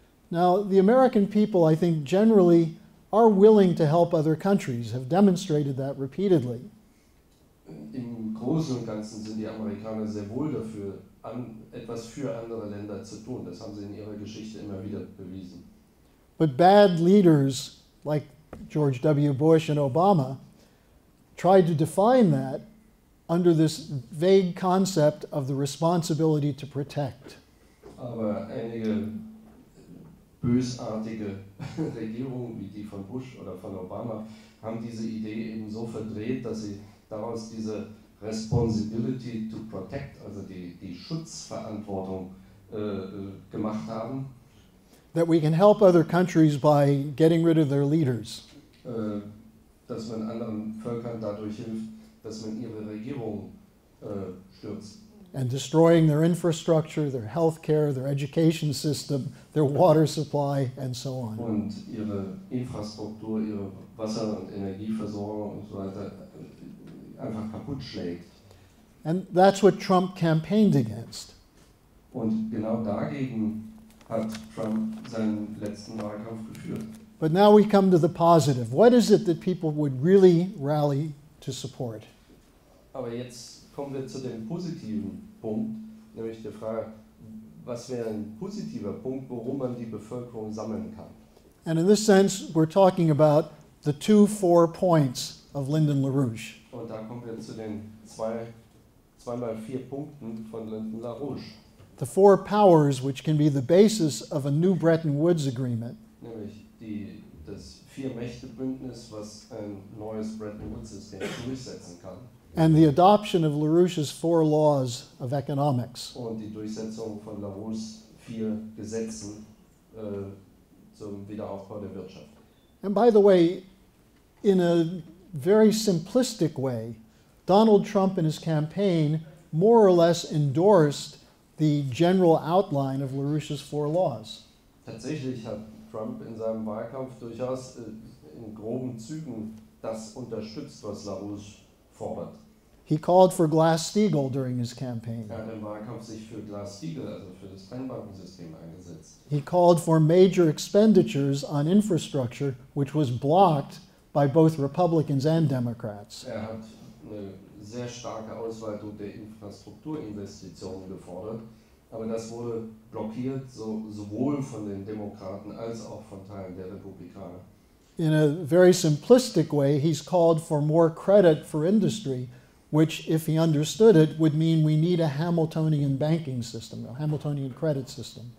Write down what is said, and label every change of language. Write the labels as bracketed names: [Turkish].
[English] Now, the American people, I think, generally are willing to help other countries, have demonstrated that repeatedly. [German] Im Großen und Ganzen sind die Amerikaner sehr wohl dafür, etwas für andere Länder zu tun. Das haben sie in ihrer Geschichte immer wieder bewiesen. [English] But bad leaders, like George W. Bush and Obama, tried to define that under this vague concept of the responsibility to protect. [German] Aber einige bösartige Regierungen wie die von Bush oder von Obama haben diese Idee eben so verdreht, dass sie daraus diese Responsibility to Protect, also die Schutzverantwortung, gemacht haben. [English] that we can help other countries by getting rid of their leaders. [German] Dass man anderen Völkern dadurch hilft, dass man ihre Regierung stürzt. [English] And destroying their infrastructure, their healthcare, their education system, their water supply, and so on. [German] Und ihre Infrastruktur, ihre Wasser- und Energieversorgung und so weiter einfach kaputt schlägt. [English] And that's what Trump campaigned against. [German] Und genau dagegen hat Trump seinen letzten Wahlkampf geführt. [English] But now we come to the positive. What is it that people would really rally to support? [German] Aber jetzt kommen wir zu dem positiven Punkt, nämlich der Frage, was wäre ein positiver Punkt, worum man die Bevölkerung sammeln kann? [English] And in this sense, we're talking about the 2-4 points of Lyndon LaRouche. [German] Und da kommen wir zu den 2x4 Punkten von Lyndon LaRouche. [English] The four powers which can be the basis of a new Bretton Woods agreement. [German] Nämlich das Vier-Mächte-Bündnis, was ein neues Bretton Woods-System durchsetzen kann. [English] And the adoption of LaRouche's four laws of economics. [German] Und die Durchsetzung von LaRouche's vier Gesetzen zum Wiederaufbau der Wirtschaft. [English] And by the way, in a very simplistic way, Donald Trump in his campaign more or less endorsed the general outline of LaRouche's four laws. [German] Tatsächlich hat Trump in seinem Wahlkampf durchaus in groben Zügen das unterstützt, was LaRouche fordert. [English] He called for Glass-Steagall during his campaign. [German] Er hat im Wahlkampf sich für Glass-Steagall, also für das Trennbankensystem, eingesetzt. [English] He called for major expenditures on infrastructure, which was blocked by both Republicans and Democrats. [German] Er hat eine sehr starke Ausweitung der Infrastrukturinvestitionen gefordert, aber das wurde blockiert, sowohl von den Demokraten als auch von Teilen der Republikaner. [English] In a very simplistic way, he's called for more credit for industry, which, if he understood it, would mean we need a Hamiltonian banking system, a Hamiltonian credit system.